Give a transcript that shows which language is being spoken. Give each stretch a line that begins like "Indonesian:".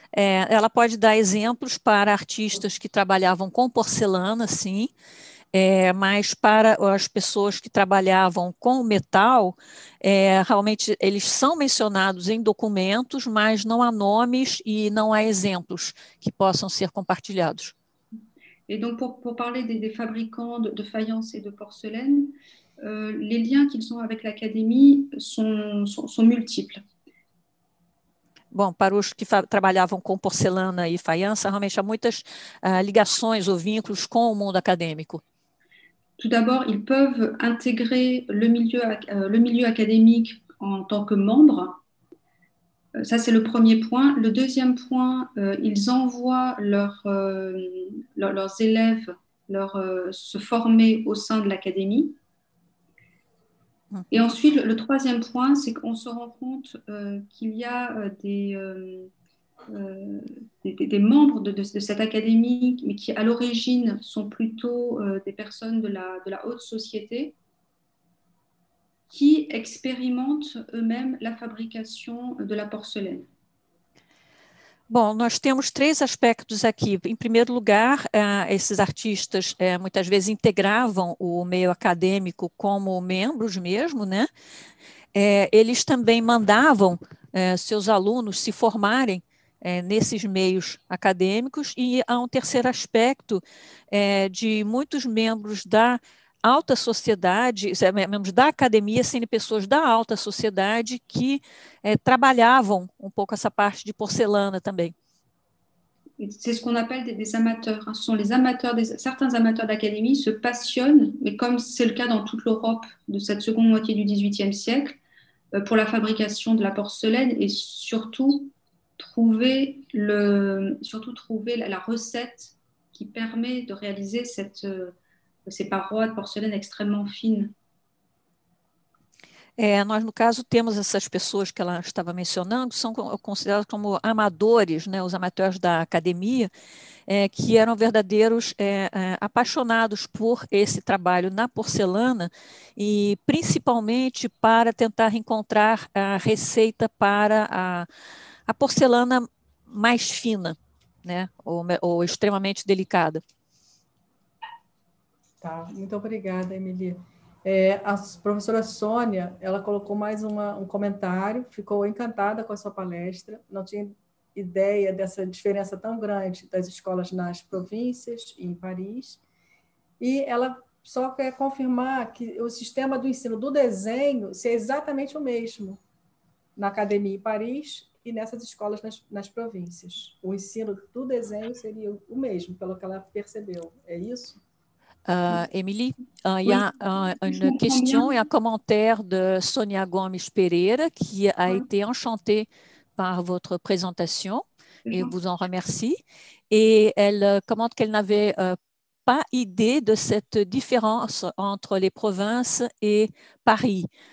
Portuguese: Ela pode dar exemplos para artistas que trabalhavam com porcelana, sim, mas para as pessoas que trabalhavam com o metal, realmente eles são mencionados em documentos, mas não há nomes e não há exemplos que possam ser compartilhados.
French: Et donc pour parler des fabricants de faïence et de porcelaine, les liens qu'ils ont avec l'académie sont multiples.
Portuguese: Bom, para os que trabalhavam com porcelana e faiança, realmente há muitas ligações ou vínculos com o mundo acadêmico.
French: Tout d'abord, ils peuvent intégrer le milieu académique en tant que membre. Ça, c'est le premier point. Le deuxième point, ils envoient leurs élèves se former au sein de l'académie. Et ensuite, le troisième point, c'est qu'on se rend compte qu'il y a des membres de cette académie, mais qui à l'origine sont plutôt des personnes de la haute société, qui expérimentent eux-mêmes la fabrication de la porcelaine.
Portuguese: Bom, nós temos três aspectos aqui. Em primeiro lugar, esses artistas muitas vezes integravam o meio acadêmico como membros mesmo, né? Eles também mandavam seus alunos se formarem nesses meios acadêmicos. E há um terceiro aspecto de muitos membros da alta sociedade, membros da academia, sendo pessoas da alta sociedade que trabalhavam um pouco essa parte de porcelana também.
French: C'est ce qu'on appelle des amateurs. Ce sont les amateurs, certains amateurs d'académie se passionnent, mais comme c'est le cas dans toute l'Europe de cette seconde moitié du XVIIIe siècle, pour la fabrication de la porcelaine et surtout trouver la recette qui permet de réaliser cette ces parois de porcelaine extrêmement fines.
Portuguese: Nós, no caso, temos essas pessoas que ela estava mencionando, são considerados como amadores, né, os amateurs da academia, que eram verdadeiros apaixonados por esse trabalho na porcelana e principalmente para tentar encontrar a receita para a porcelana mais fina, né, ou extremamente delicada. Tá, muito obrigada, Emily. A professora Sônia, ela colocou mais um comentário, ficou encantada com a sua palestra, não tinha ideia dessa diferença tão grande das escolas nas províncias e em Paris. E ela só quer confirmar que o sistema do ensino do desenho seja exatamente o mesmo na academia em Paris e nessas escolas nas províncias. O ensino do desenho seria o mesmo, pelo que ela percebeu, é isso?
French: Emily, il y a une question et un commentaire de Sonia Gomes Pereira qui a été enchantée par votre présentation et vous en remercie. Et elle commente qu'elle n'avait pas idée de cette différence entre les provinces et Paris.